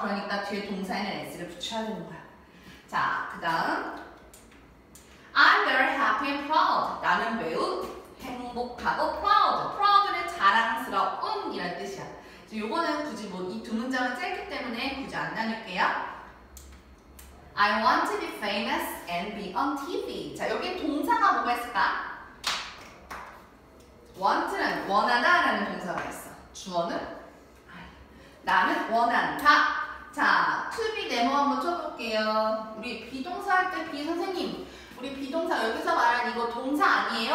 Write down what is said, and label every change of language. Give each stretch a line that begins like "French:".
Korean: 그러니까 뒤에 동사에는 S를 붙여야 되는 거야.
English: 자, 그 다음 I'm very happy and proud.
Korean: 나는 매우 행복하고 proud. proud는 자랑스러운 이란 뜻이야. 요거는 굳이 뭐 이 두 문장은 짧기 때문에 굳이 안 나눌게요.
English: I want to be famous and be on TV.
Korean: 자, 여기 동사가 뭐가 있을까? want는 원하다 라는 동사가 있어. 주어는? 나는 원한다. 자,
English: to be
Korean: 네모 한번 쳐볼게요. 우리 비동사 할 때 비선생님 우리 비동사 여기서 말한 이거 동사 아니에요?